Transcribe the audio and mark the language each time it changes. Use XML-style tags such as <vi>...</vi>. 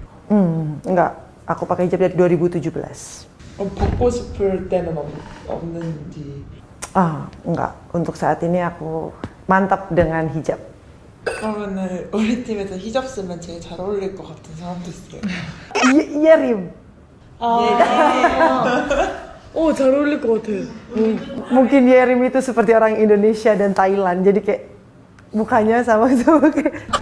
<ko>응, 아까</ko> <id>pakai hijab dari 2017.</id> <ko>그럼 벗고 싶을 때는 없는지? 아, 응,</ko> <id>untuk saat ini aku mantap dengan hijab.</id> <ko>그러면은 우리 팀에서 hijab 쓰면 제일 잘 어울릴 것 같은 사람도 있어요. 예림. 아, 오, 잘 어울릴 것 같아. 응.</ko> <id>mungkin Yerim itu seperti orang Indonesia dan Thailand, jadi kayak mukanya sama-sama kayak.</id>